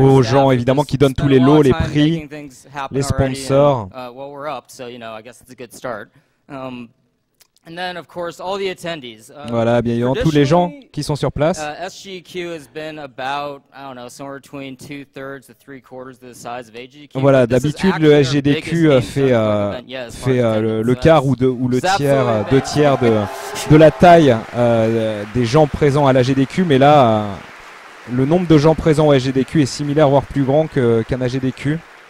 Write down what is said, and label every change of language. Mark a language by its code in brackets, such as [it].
[fr] aux gens évidemment qui donnent tous les lots, les prix, les sponsors. [en] Well, we're up, so you know, I guess it's a good start. And then, of course, all the attendees. [fr] Voilà, bien évidemment, tous les gens qui sont sur place. [en] SGQ has been about, I don't know, somewhere between 2/3 to 3/4 the size of AGQ. [fr] Voilà, d'habitude le SGDQ fait le quart ou deux tiers de la taille des gens présents à la GDQ, mais là le nombre de gens présents au SGDQ est similaire voire plus grand qu'un AGDQ.